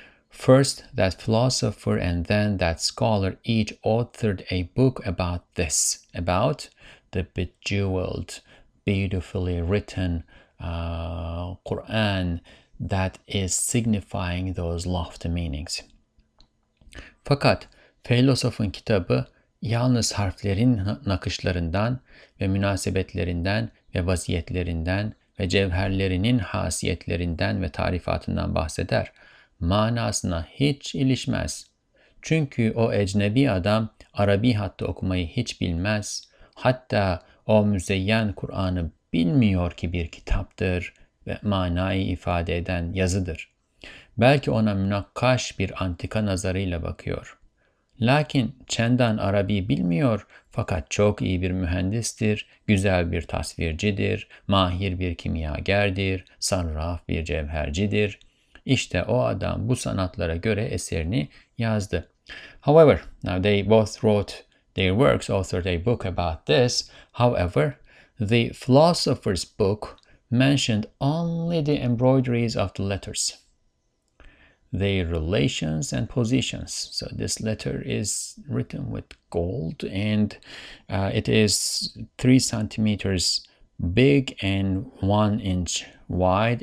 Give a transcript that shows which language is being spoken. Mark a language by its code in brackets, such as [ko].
[en] First, that philosopher, and then that scholar, each authored a book about this, about the bejeweled, beautifully written Quran that is signifying those lofty meanings. [tr] Fakat filozofun kitabı yalnız harflerin nakışlarından ve münasebetlerinden ve vaziyetlerinden ve cevherlerinin hasiyetlerinden ve tarifatından bahseder. Manasına hiç ilişmez. Çünkü o ecnebi adam Arabi hattı okumayı hiç bilmez. Hatta o müzeyyen Kur'an'ı bilmiyor ki bir kitaptır ve manayı ifade eden yazıdır. Belki ona münakkaş bir antika nazarıyla bakıyor. Lakin çendan Arabi bilmiyor fakat çok iyi bir mühendistir, güzel bir tasvircidir, mahir bir kimyagerdir, sarraf bir cevhercidir. İşte o adam bu sanatlara göre eserini yazdı. [en] However, now they both wrote their works, authored a book about this. However, the philosopher's book mentioned only the embroideries of the letters, their relations and positions. So this letter is written with gold, and it is 3 centimeters big and 1 inch wide.